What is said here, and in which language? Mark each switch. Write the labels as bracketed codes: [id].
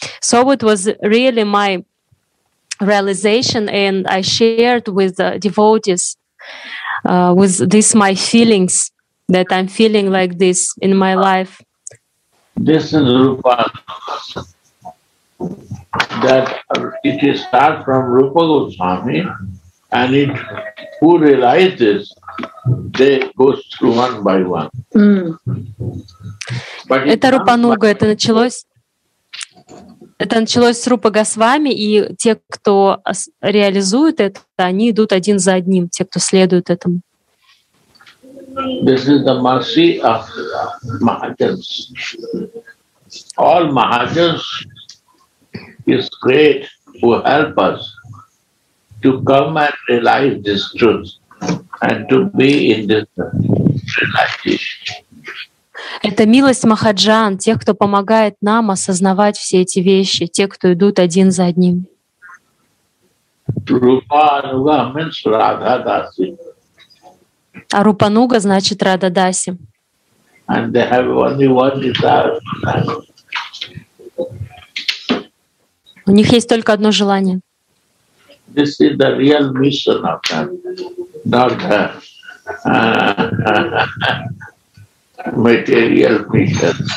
[en] So it was really my realization, and I shared with the devotees with this my feelings that I'm feeling like this in my life. This is Rupa. That it is start from Rupa Goswami, and it who realizes they go through one by one. Mm. [ru] But это Рупануга, это началось. Это началось с Рупа Госвами, и те, кто реализует это, они идут один за одним, те, кто следует этому. [en] This is the mercy of Mahajans. All Mahajans is great to help us to come and realize this truth and to be in this realization. [ru] Это милость Махаджан, тех, кто помогает нам осознавать все эти вещи, те, кто идут один за одним. [en] Rupanuga means Radha Dasi. [ru] А Рупануга значит Радха Даси. [en] And they have only one desire. [ru] У них есть только одно желание. [en] This is the real mission of them, not the material mission.